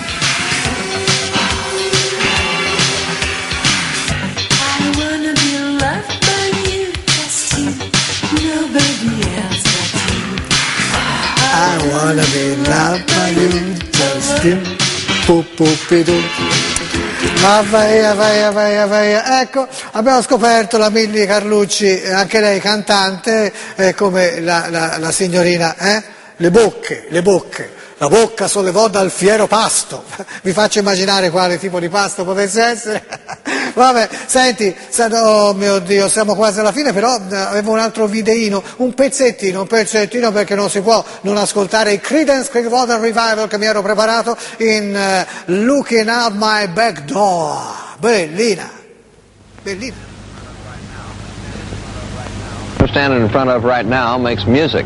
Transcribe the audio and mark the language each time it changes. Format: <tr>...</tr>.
<en>I wanna be loved by you, just you, nobody else but you. I wanna be loved by you, just you. Pupupidu.</en> <it>Ma vai, ecco, abbiamo scoperto la Milli Carlucci, anche lei cantante, come la signorina, le bocche. La bocca sollevò dal fiero pasto. Vi faccio immaginare quale tipo di pasto potesse essere. Vabbè, senti, oh mio Dio, siamo quasi alla fine, però avevo un altro videino, un pezzettino, perché non si può non ascoltare i Creedence Clearwater Revival che mi ero preparato in Looking Out My Back Door. Bellina.</it> <en>What I'm standing in front of right now makes music.</en>